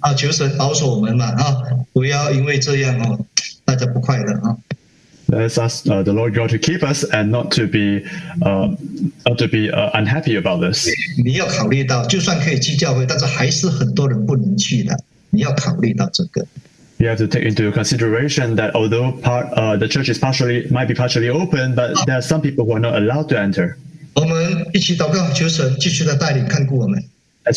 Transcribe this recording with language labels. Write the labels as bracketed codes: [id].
[zh] 求神保守我们嘛，不要因为这样大家不快乐。 [en] Let's ask the Lord God to keep us and not to be unhappy about this. [zh] 你要考虑到，就算可以聚教会，但是还是很多人不能去的。你要考虑到这个。 [en] You have to take into consideration that although the church is partially open, but there are some people who are not allowed to enter. [zh] 我们一起祷告，求神继续的带领看顾我们。Let's